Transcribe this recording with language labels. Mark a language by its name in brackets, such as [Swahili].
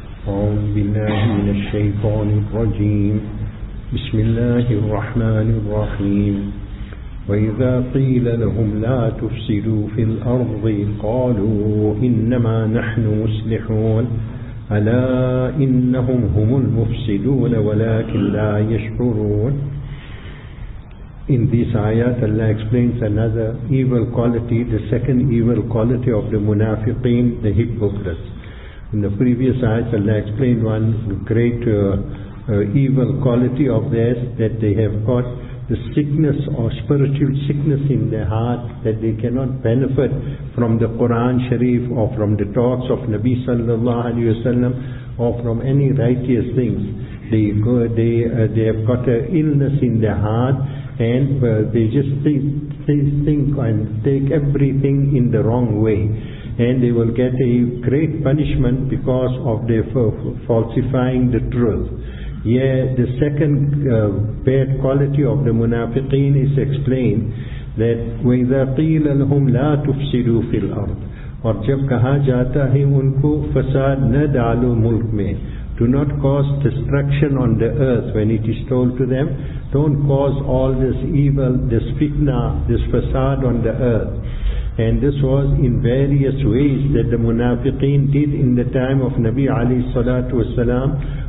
[Arabic] أعوذ بالله من الشيطان الرجيم. بسم الله الرحمن الرحيم. وإذا قيل لهم لا تفسدوا في الأرض قالوا إنما نحن مصلحون. ألا إنهم هم المفسدون ولكن لا يشعرون. [English] In these ayat, Allah explains another evil quality, the second evil quality of the munafiqeen, the hypocrites. In the previous ayat, Allah explained one great evil quality of theirs, that they have got the sickness or spiritual sickness in their heart, that they cannot benefit from the Quran Sharif or from the talks of Nabi sallallahu alayhi wa sallam or from any righteous things. They have got an illness in their heart, and they just think and take everything in the wrong way, and they will get a great punishment because of their falsifying the truth. Yeah, the second bad quality of the munafiqeen is explained, that [Arabic] وَإِذَا قِيلَ لَهُمْ لَا تُفْسِدُوا فِي الْأَرْضِ. [Urdu] اور جب کہا جاتا ہے ان کو فساد نہ ڈالو ملک میں. [English] Do not cause destruction on the earth, when it is told to them, don't cause all this evil, this fitna, this fasad on the earth. And this was in various ways that the munafiqeen did in the time of Nabi alayhi salatu wasalam.